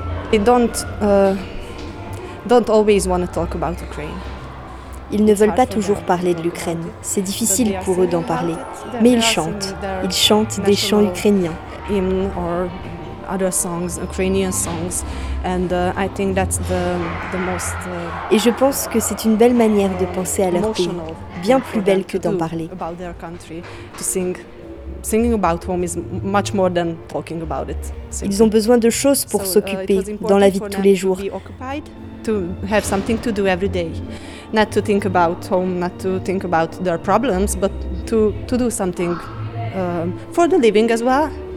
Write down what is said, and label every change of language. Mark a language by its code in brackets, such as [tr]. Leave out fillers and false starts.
[en] They don't always want to talk about Ukraine. [fr] Ils ne veulent pas toujours parler de l'Ukraine. C'est difficile pour eux d'en parler. Mais ils chantent. Ils chantent des chants ukrainiens. [en] Hymn or other songs, Ukrainian songs, and I think that's the most. [fr] Et je pense que c'est une belle manière de penser à leur pays, bien plus belle que d'en parler. [en] About their country, to sing. Singing about home is much more than talking about it. [fr] Ils ont besoin de choses pour s'occuper dans la vie de tous les jours. [en] To have something to do every day, not to think about home, not to think about their problems, but to do something for the living as well.